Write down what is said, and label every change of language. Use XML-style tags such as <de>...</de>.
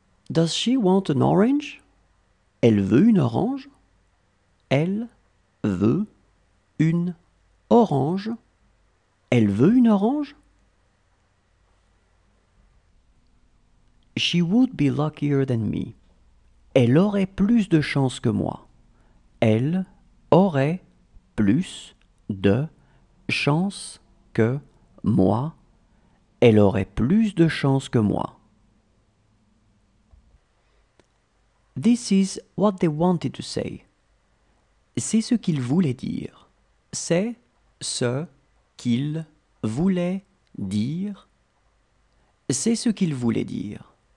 <en>Does she want an orange?</en> <fr>Elle veut une orange. Elle veut une orange. Elle veut une orange.</fr> <en>She would be luckier than me.</en> <fr>Elle aurait plus de chance que moi. Elle aurait plus de chance que moi. Elle aurait plus de chance que moi.</fr> <en>This is what they wanted to say.</en> <fr>C'est ce qu'ils voulaient dire. C'est ce qu'ils voulaient dire. C'est ce qu'ils voulaient dire.</fr>